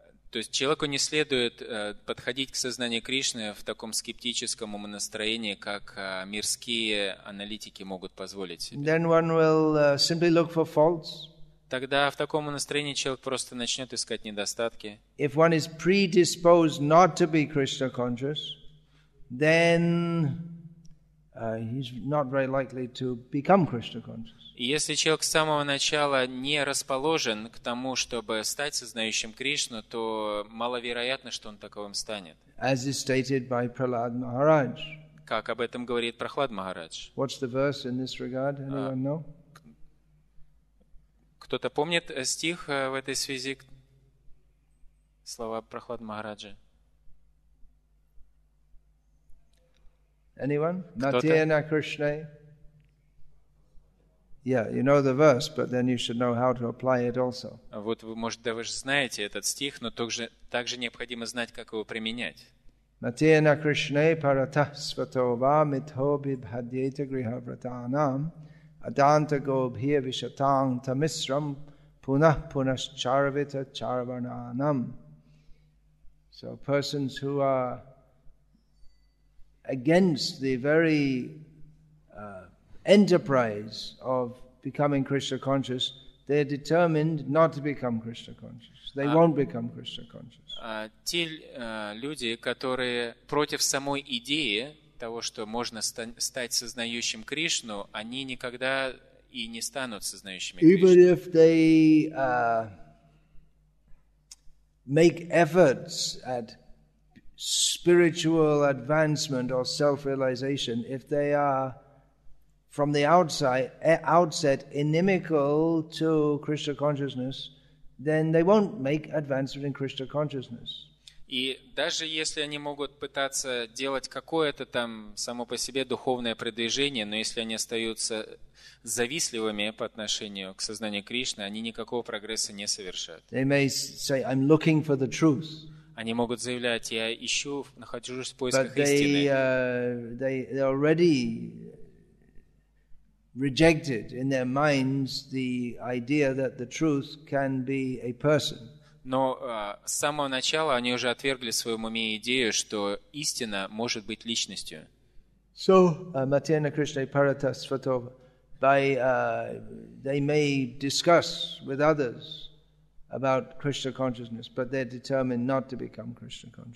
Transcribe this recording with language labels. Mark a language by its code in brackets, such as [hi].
[ru] то есть человеку не следует подходить к сознанию Кришны в таком скептическом умонастроении, как мирские аналитики могут позволить себе. [en] Then one will simply look for faults. [ru] Тогда в таком умонастроении человек просто начнет искать недостатки. [en] If one is predisposed not to be Krishna conscious, then he's not very likely to become Krishna conscious. [ru] Если человек с самого начала не расположен к тому, чтобы стать сознающим Кришну, то маловероятно, что он таковым станет. [en] As is stated by Prahlad Maharaj. [ru] Как об этом говорит Прохлад Махарадж. [en] What's the verse in this regard? Anyone know? [ru] Кто-то помнит стих в этой связи? Слова Прохлад Махараджа? [en] Anyone? [sa] Natyena Krishna. [en] Yeah, you know the verse, but then you should know how to apply it also. [ru] Вот вы, может, да, вы же знаете этот стих, но также необходимо знать, как его применять. [sa] Matena Krishna paratah svatova mithobi bhadyeta grihavratanam adanta gobhir vishatang tamisram punah punas charavita charavananam. [en] So persons who are against the very enterprise of becoming Krishna conscious, they are determined not to become Krishna conscious. They won't become Krishna conscious. [ru] Те люди, которые против самой идеи того, что можно стать сознающим Кришну, они никогда и не станут сознающими Кришну. [en] Even if they make efforts at spiritual advancement or self-realization, if they are from the outset inimical to Krishna consciousness, then they won't make advancement in Krishna consciousness. [ru] И даже если они могут пытаться делать какое-то там само по себе духовное продвижение, но если они остаются завистливыми по отношению к сознанию Кришны, они никакого прогресса не совершат. [en] They may say, I'm looking for the truth. [ru] Они могут заявлять, я ищу, нахожусь в поисках истины. [en] They already rejected in their minds the idea that the truth can be a person. [ru] Но с самого начала они уже отвергли в своем уме идею, что истина может быть личностью. [en] So, [sa] Matena Krishna Parata Svatova, [en] they may discuss with others about Krishna consciousness, but they're determined not to become Krishna conscious.